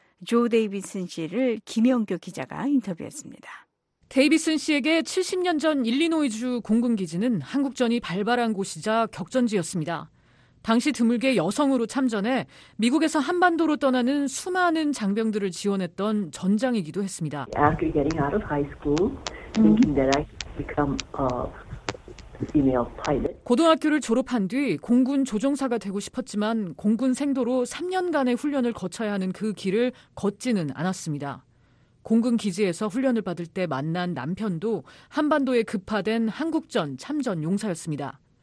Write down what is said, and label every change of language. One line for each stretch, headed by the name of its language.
Korean: 조 데이비슨 씨를 김영교 기자가 인터뷰했습니다. 데이비슨 씨에게 70년 전 일리노이주 공군기지는 한국전이 발발한 곳이자 격전지였습니다. 당시 드물게 여성으로 참전해 미국에서 한반도로 떠나는 수많은 장병들을 지원했던 전장이기도 했습니다.
English: After getting out of high school, thinking that I could become a female pilot.
Korean: 고등학교를 졸업한 뒤 공군 조종사가 되고 싶었지만 공군 생도로 3년간의 훈련을 거쳐야 하는 그 길을 걷지는 않았습니다. 공군 기지에서 훈련을 받을 때 만난 남편도 한반도에 급파된 한국전 참전 용사였습니다.